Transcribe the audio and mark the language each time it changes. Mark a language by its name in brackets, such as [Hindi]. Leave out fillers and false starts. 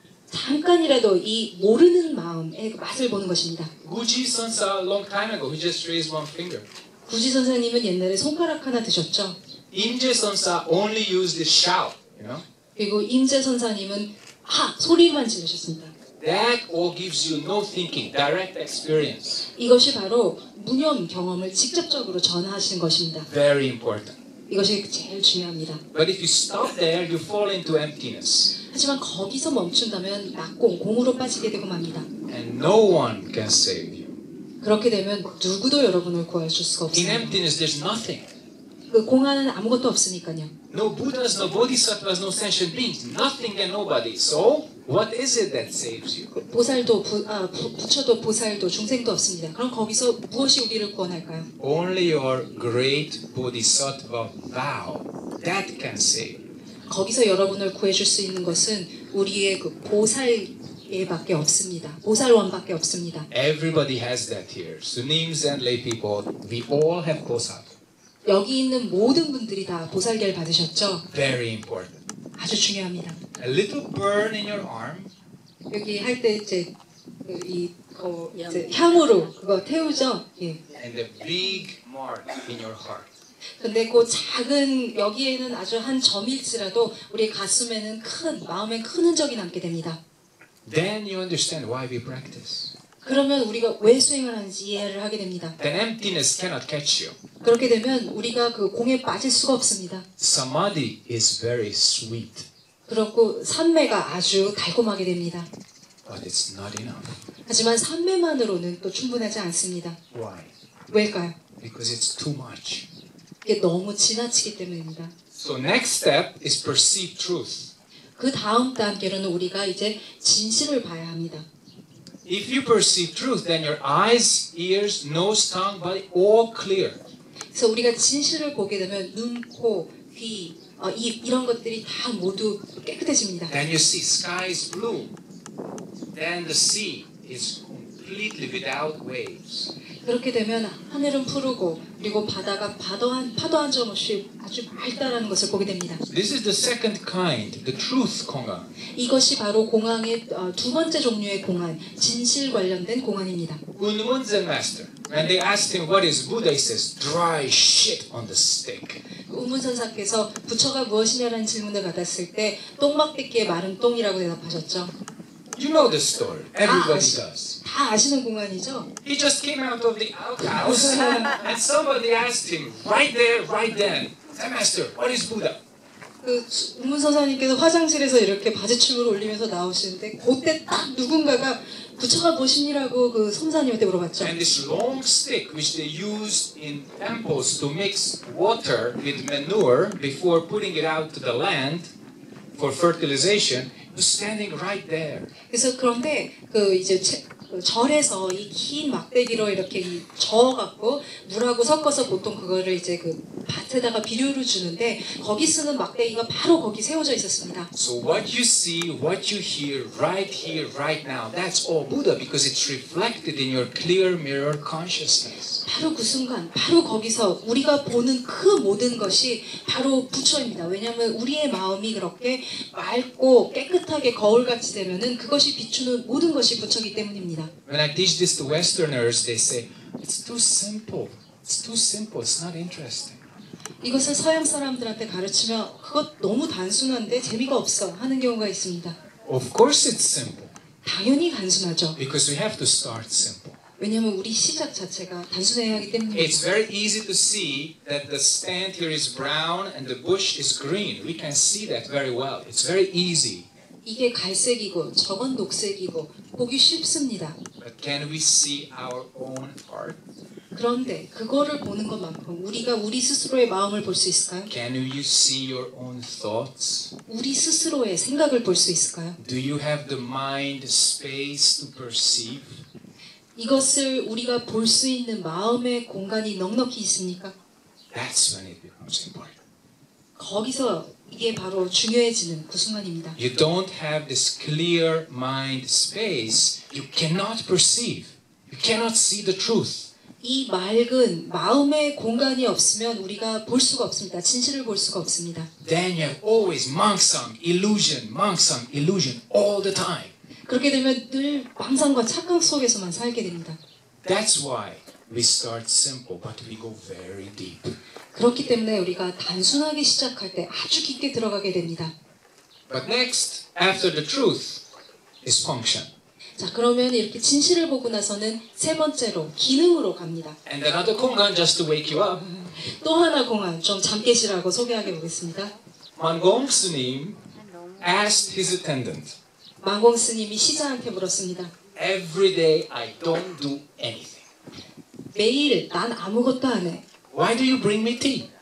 [Korean] 잠깐이라도 이 모르는 마음의 맛을 보는 것입니다. [English] Guji Sansa a long time ago, he just raised one finger. [Korean] 구지 선사님은 옛날에 손가락 하나 드셨죠. [English] Imje Sansa only used the shout, you know. [Korean] 그리고 임재 선사님은 하 소리만 지르셨습니다. [English] That all gives you no thinking, direct experience. [Korean] 이것이 바로 무념 경험을 직접적으로 전하시는 것입니다. [English] Very important. [Korean] 이것이 제일 중요합니다. [English] But if you stop there, you fall into emptiness. [Korean] 하지만 거기서 멈춘다면 낙공, 공으로 빠지게 되고 맙니다. [English] And no one can save you. [Korean] 그렇게 되면 누구도 여러분을 구해줄 수가 없습니다. [English] In emptiness, there's nothing. [Korean] 그 공안은 아무것도 없으니까요. [English] No Buddhas, no Bodhisattvas, no sentient beings, nothing and nobody. So? What is it that saves you? [Korean] 보살도 부처도 보살도 중생도 없습니다. 그럼 거기서 무엇이 우리를 구원할까요? [English] Only your great bodhisattva vow that can save. [Korean] 거기서 여러분을 구해줄 수 있는 것은 우리의 그 보살에밖에 없습니다. 보살원밖에 없습니다. [English] Everybody has that here. Sunims and lay people, we all have bodhisattva. [Korean] 여기 있는 모든 분들이 다 보살계를 받으셨죠? [English] Very important. [Korean] 아주 중요합니다. [English] A little burn in your arm. [Korean] 여기 할 때 이제 이 향으로 그거 태우죠. 예. [English] And a big mark in your heart. [Korean] 근데 그 작은 여기에는 아주 한 점일지라도 우리 가슴에는 큰 마음에 큰 흔적이 남게 됩니다. [English] Then you understand why we practice. [Korean] 그러면 우리가 왜 수행을 하는지 이해를 하게 됩니다. [English] Then emptiness cannot catch you. [Korean] 그렇게 되면 우리가 그 공에 빠질 수가 없습니다. [English] Samadhi is very sweet. [Korean] 그렇고 삼매가 아주 달콤하게 됩니다. [English] But it's not enough. [Korean] 하지만 삼매만으로는 또 충분하지 않습니다. [English] Why? [Korean] 왜일까요? [English] Because it's too much. [Korean] 이게 너무 지나치기 때문입니다. [English] So next step is perceive truth. [Korean] 그 다음 단계로는 우리가 이제 진실을 봐야 합니다. [English] If you perceive truth, then your eyes, ears, nose, tongue, body, all clear. [Korean] 그래서 우리가 진실을 보게 되면 눈, 코, 귀, 입 이런 것들이 다 모두 깨끗해집니다. [English] Then you see sky is blue. Then the sea is completely without waves. [Korean] 그렇게 되면 하늘은 푸르고 그리고 바다가 파도 한 점 없이 아주 맑다라는 것을 보게 됩니다. [English] This is the second kind, the truth Gongan. [Korean] 이것이 바로 공안의 두 번째 종류의 공안, 진실 관련된 공안입니다. [English] Unmon Zen Master, when they asked him what is Buddha, he says dry shit on the stick. [Korean] 운문 선사께서 부처가 무엇이냐라는 질문을 받았을 때 똥막대기에 마른 똥이라고 대답하셨죠. [English] You know the story. Everybody does. [Korean] 다 아시는 공안이죠. [English] He just came out of the outhouse and somebody asked him right there, right then, Zen Master, what is Buddha? [Korean] 그 문 선사님께서 화장실에서 이렇게 바지춤을 올리면서 나오시는데 그때 딱 누군가가 부처가 보시니라고 그 선사님한테 물어봤죠. [English] And this long stick which they use in temples to mix water with manure before putting it out to the land for fertilization was standing right there. [Korean] 그래서 그런데 그 이제 절에서 이 긴 막대기로 이렇게 저어 갖고 물하고 섞어서 보통 그거를 이제 그 밭에다가 비료를 주는데 거기 쓰는 막대기가 바로 거기 세워져 있었습니다. [English] So what you see, what you hear right here right now. That's all Buddha because it's reflected in your clear mirror consciousness. [Korean] 바로 그 순간 바로 거기서 우리가 보는 그 모든 것이 바로 부처입니다. 왜냐면 우리의 마음이 그렇게 맑고 깨끗하게 거울같이 되면은 그것이 비추는 모든 것이 부처이기 때문입니다. [English] When I teach this to Westerners, they say, it's too simple. It's too simple. It's not interesting. [Korean] 이것을 서양 사람들한테 가르치면 그것 너무 단순한데 재미가 없어 하는 경우가 있습니다. [English] Of course it's simple. [Korean] 당연히 단순하죠. [English] Because we have to start simple. [Korean] 왜냐하면 우리 시작 자체가 단순해야 하기 때문입니다. [English] It's very easy to see that the stand here is brown and the bush is green. We can see that very well. It's very easy. [Korean] 이게 갈색이고 저건 녹색이고 보기 쉽습니다. [English] But can we see our own heart? [Korean] 그런데 그거를 보는 것만큼 우리가 우리 스스로의 마음을 볼 수 있을까요? [English] Can you see your own thoughts? [Korean] 우리 스스로의 생각을 볼 수 있을까요? [English] Do you have the mind space to perceive? [Korean] 이것을 우리가 볼 수 있는 마음의 공간이 넉넉히 있습니까? [English] That's when it becomes important. [Korean] 거기서 이게 바로 중요해지는 그 순간입니다. [English] You don't have this clear mind space. You cannot perceive. You cannot see the truth. [Korean] 이 맑은 마음의 공간이 없으면 우리가 볼 수가 없습니다. 진실을 볼 수가 없습니다. [English] Then you're always monk some illusion all the time. [Korean] 그렇게 되면 늘 망상과 착각 속에서만 살게 됩니다. [English] That's why we start simple, but we go very deep. [Korean] 그렇기 때문에 우리가 단순하게 시작할 때 아주 깊게 들어가게 됩니다. [English] But next, after the truth, is function. [Korean] 자, 그러면 이렇게 진실을 보고 나서는 세 번째로 기능으로 갑니다. [English] And another 공간 just to wake you up. [Korean] 또 하나 공간 좀 잠 깨시라고 소개하게 보겠습니다. [English] 만공 스님 asked his attendant. [Korean] 만공 스님이 시자한테 물었습니다. [English] Every day I don't do anything. [Korean] 매일 난 아무것도 안 해. [English] Why do you bring me tea?